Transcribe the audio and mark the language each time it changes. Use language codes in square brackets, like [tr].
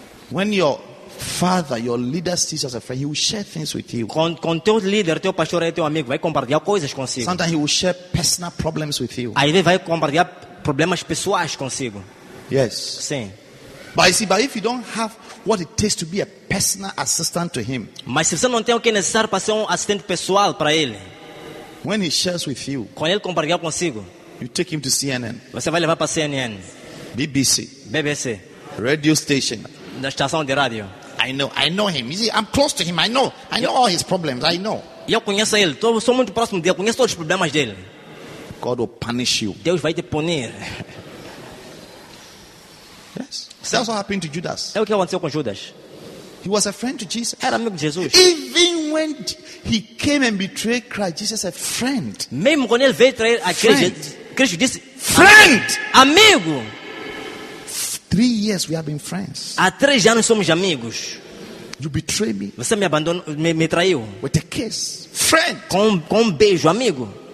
[en] When your father, your leader sees you as a friend, he will share things with you. [pt] Com teu líder, teu pastor é teu amigo, vai compartilhar coisas consigo. [en] Sometimes he will share personal problems with you. [pt] Aí ele vai compartilhar problemas pessoais consigo. [en] Yes. [pt] Sim. [en] But you see, but if you don't have what it takes to be a personal assistant to him. [pt] Mas se você não tem o que é necessário para ser assistente pessoal para ele. [en] When he shares with you. [pt] Quando ele compartilhar consigo. [en] You take him to CNN. [pt] Você vai levar para CNN. [en] BBC. [pt] BBC. [en] Radio station. [pt] Na estação de rádio. [en] I know him. You see, I'm close to him. I know all his problems. I know. [pt] Eu conheço ele. Estou, sou muito próximo dele. Conheço todos os problemas dele. [en] God will punish you. [pt] Deus vai te punir. [en] Yes. That's what happened to Judas. [pt] É o que aconteceu com Judas. [en] He was a friend to Jesus. [pt] Era amigo de Jesus. [en] Even when he came and betrayed Christ, Jesus said, "Friend." [pt] Mesmo quando ele veio trair a Cristo, Cristo disse, [en] "Friend, [pt] amigo." [en] 3 years we have been friends. [pt] Há 3 anos somos amigos. [en] You betrayed me. [pt] Você me abandonou, me traiu. [en] With a kiss, friend. [pt] Com um beijo, amigo.